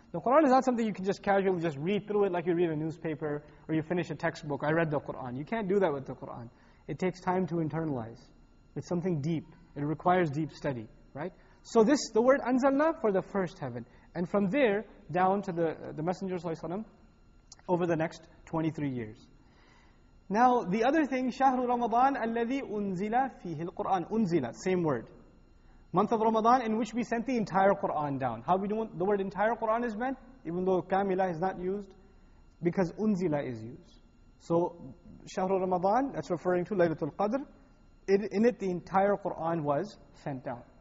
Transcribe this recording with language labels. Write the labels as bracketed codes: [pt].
[en] The Qur'an is not something you can just casually just read through it like you read a newspaper or you finish a textbook. I read the Qur'an. You can't do that with the Qur'an. It takes time to internalize. It's something deep. It requires deep study, right? So this, the word anzalna, for the first heaven. And from there, down to the Messenger sallallahu alayhi wa sallam, over the next 23 years. Now, the other thing, [ar] شهر رمضان الذي أنزل فيه القرآن. [en] أنزل, same word. Month of Ramadan in which we sent the entire Qur'an down. How we do the word entire Qur'an is meant, even though كاملة is not used, because أنزل is used. So, شهر رمضان, that's referring to ليلة القدر, in it the entire Qur'an was sent down.